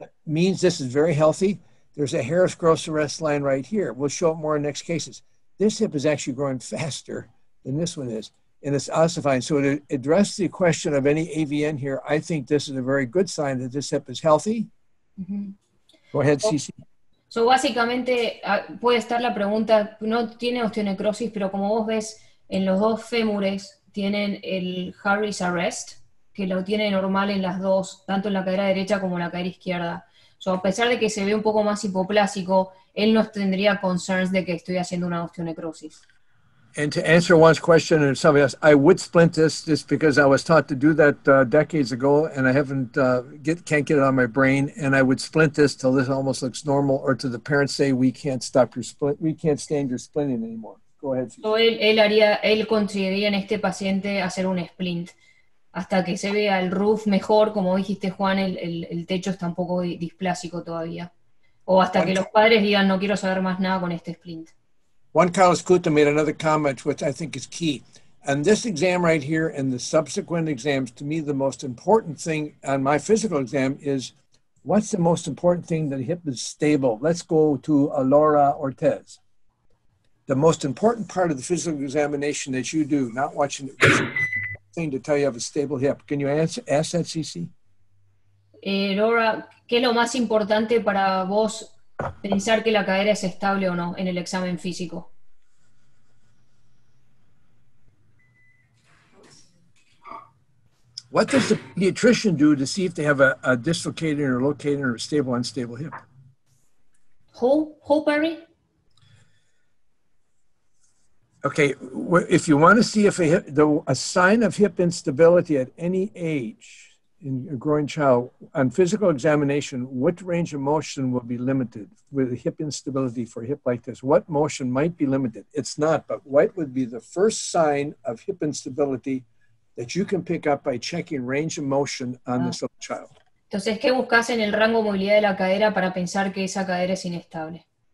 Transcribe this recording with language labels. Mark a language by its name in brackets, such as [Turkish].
[English] Means this is very healthy. There's a Harris growth arrest line right here. We'll show it more in next cases. This hip is actually growing faster than this one is, and it's ossifying. So to address the question of any AVN here, I think this is a very good sign that this hip is healthy. Mm-hmm. Go ahead, Cici. [Spanish] So básicamente, puede estar la pregunta, no tiene osteonecrosis, pero como vos ves, en los dos fémures tienen el Harris arrest, que lo tiene normal en las dos, tanto en la cadera derecha como en la cadera izquierda. So, a pesar de que se ve un poco más hipoplásico, él no tendría concerns de que estoy haciendo una osteonecrosis. [English] And to answer Juan's question and somebody else, I would splint this just because I was taught to do that decades ago and I haven't can't get it on my brain, and I would splint this till this almost looks normal, or to the parents say we can't stand your splinting anymore. Go ahead. [Spanish] So, él consideraría en este paciente hacer un splint. Hasta que se vea el roof mejor, como dijiste, Juan, el techo está un poco displásico todavía. O hasta que los padres digan, no quiero saber más nada con este splint. [English] Juan Carlos Cuto made another comment, which I think is key. And this exam right here and the subsequent exams, to me, the most important thing on my physical exam is, what's the most important thing that the hip is stable? Let's go to Laura Ortez. The most important part of the physical examination that you do, not watching it, thing to tell you have a stable hip. Can you ask that, Cici? [Spanish] Laura, ¿qué es lo más importante para vos pensar que la cadera es estable o no en el examen físico? [English] What does the pediatrician do to see if they have a dislocated or located or stable or unstable hip? Who, Perry? Okay, if you want to see if a sign of hip instability at any age, in a growing child, on physical examination, what range of motion will be limited with hip instability for a hip like this? What motion might be limited? It's not, but what would be the first sign of hip instability that you can pick up by checking range of motion on this little child? [Spanish] Entonces, ¿qué buscas en el rango de movilidad de la cadera para pensar que esa cadera es inestable?